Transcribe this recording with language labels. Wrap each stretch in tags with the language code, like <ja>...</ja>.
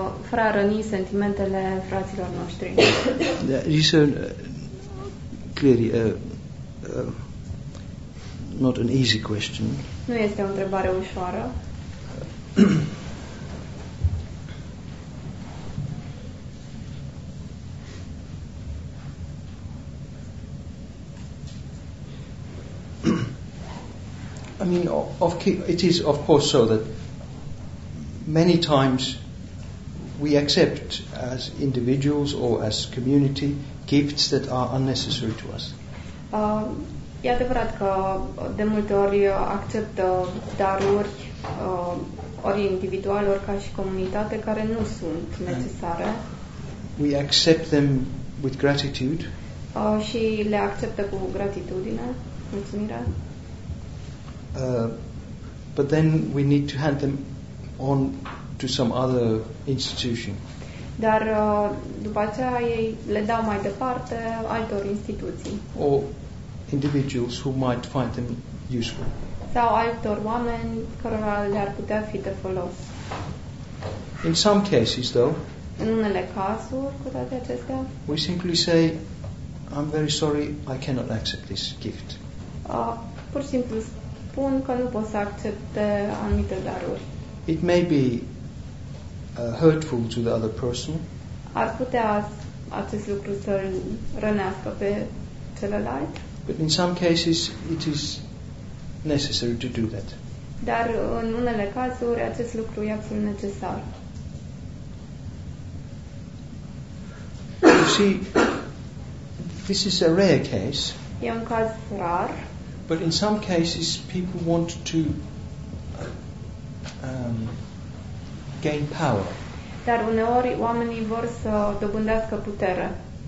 <ro>Fără a răni sentimentele fraților noștri.</ro> <en>This is clearly not an easy question.</en> <ro>Nu este o întrebare ușoară.</ro> <en>I mean, it is of course so that many times we accept as individuals or as community gifts that are unnecessary to us.</en> <ro>E adevărat că de multe ori acceptă daruri ori individual, ori ca și comunitate care nu sunt necesare.</ro> <en>We accept them with gratitude.</en> <ro>Și le acceptă cu gratitudine, mulțumire.</ro> <en>But then we need to hand them on to some other institution.</en> <ro>Dar după aceea ei le dau mai departe altor instituții.</ro> <en>Or individuals who might find them useful.</en> <ro>Sau altor oameni cărora le-ar putea fi de folos.</ro> <en>In some cases, though.</en> <ro>În unele cazuri, cu toate acestea.</ro> <en>We simply say, I'm very sorry, I cannot accept this gift.</en> <ro>Pur și simplu spun că nu pot să accepte anumite daruri.</ro> <en>It may be hurtful to the other person.</en> <ro>Ar putea acest lucru să-l rănească pe celălalt.</ro> <en>But in some cases it is necessary to do that.</en> <ro>Dar în unele cazuri acest lucru e absolut necesar.</ro> <en>You see, this is a rare case.</en> <ro>E un caz rar.</ro> <en>But in some cases, people want to gain power.</en> <ro>Dar uneori oamenii vor să dobândească putere.</ro>